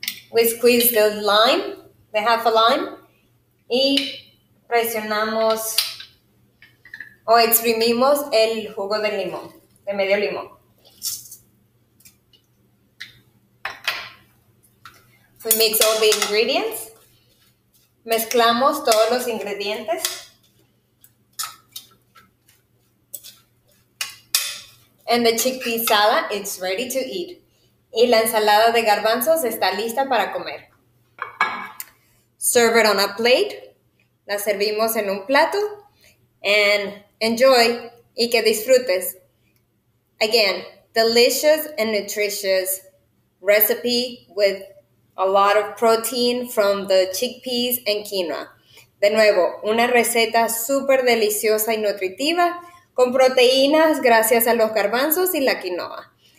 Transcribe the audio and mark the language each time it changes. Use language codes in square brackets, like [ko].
[en] We squeeze the lime, the half a lime, [es] y presionamos o exprimimos el jugo de limón, de medio limón. [en] We mix all the ingredients. [es] Mezclamos todos los ingredientes. [en] And the chickpea salad is ready to eat. [es] Y la ensalada de garbanzos está lista para comer. [en] Serve it on a plate. [es] La servimos en un plato. [en] And enjoy. [es] Y que disfrutes. [en] Again, delicious and nutritious recipe with a lot of protein from the chickpeas and quinoa. [es] De nuevo, una receta super deliciosa y nutritiva con proteínas gracias a los garbanzos y la quinoa.